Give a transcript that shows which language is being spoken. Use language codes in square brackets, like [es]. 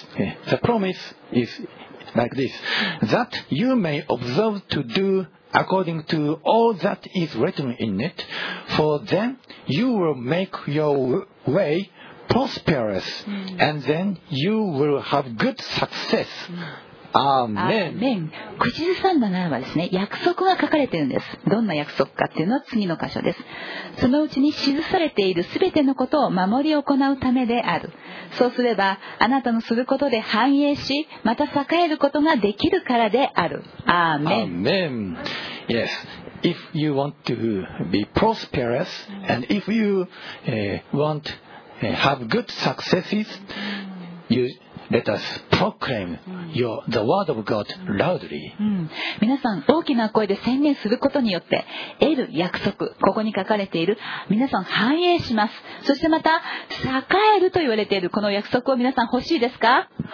[en] The promise is like this: that you may observe to do according to all that is written in it, for then you will make your way prosperous, and then you will have good success. Amen. [ja] 口ずさんだならばですね、約束が書かれているんです。どんな約束かっていうのは次の箇所です。そのうちに記されているすべてのことを守り行うためである。そうすればあなたのすることで繁栄し、また栄えることができるからである。アーメン。 [en] Amen. Yes. If you want to be prosperous and if you want have good successes, youLet us proclaim the word of God loudly. [ja] 皆さん大きな声で宣言することによって得る約束、ここに書かれている皆さん繁栄します。そしてまた栄えると言われているこの約束を皆さん欲しいですか？